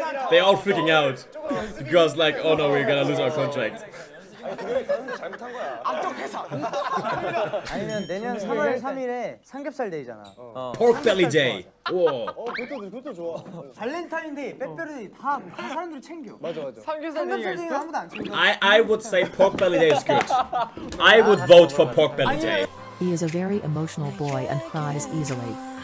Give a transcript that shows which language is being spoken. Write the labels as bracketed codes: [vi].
[en] They all freaking out because like oh no we're gonna lose our contract [ko] 아니 그게 잘못한 거야 악덕 회사 아니면 내년 3월 3일에 삼겹살 데이잖아 [en] Pork belly day 우와 [ko] 그것도 좋아 발렌타인데이 빼빼로데이 다 사람들이 챙겨 맞아 맞아 삼겹살 데이 아무도 안 챙겨 [en] I would say pork belly day is good I would vote for pork belly day He is a very emotional boy and cries easily.